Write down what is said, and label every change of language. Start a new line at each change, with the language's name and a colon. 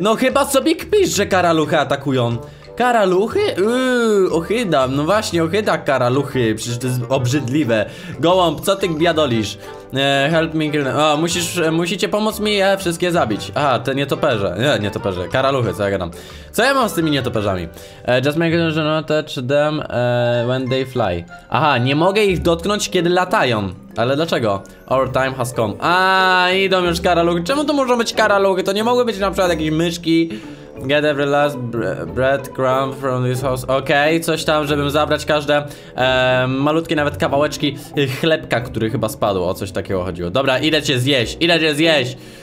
Polish: No chyba sobie kpisz, że karaluchy atakują. Karaluchy? Ohydam, no właśnie, ohyda karaluchy. Przecież to jest obrzydliwe. Gołąb, co ty gbiadolisz?
English: Help me kill.
Polish: O, musicie pomóc mi je wszystkie zabić. Aha, te nietoperze, nietoperze, karaluchy, co ja gadam. Co ja mam z tymi nietoperzami?
English: Just make sure to not touch them when they fly.
Polish: Aha, nie mogę ich dotknąć, kiedy latają. Ale dlaczego?
English: Our time has come.
Polish: Aaa, idą już karaluchy. Czemu to muszą być karaluchy? To nie mogły być na przykład jakieś myszki.
English: Get every last breadcrumb from this house.
Polish: Okej, okay, coś tam, żebym zabrać każde malutkie nawet kawałeczki chlebka, który chyba spadł. O coś takiego chodziło. Dobra, idę cię zjeść, idę cię zjeść.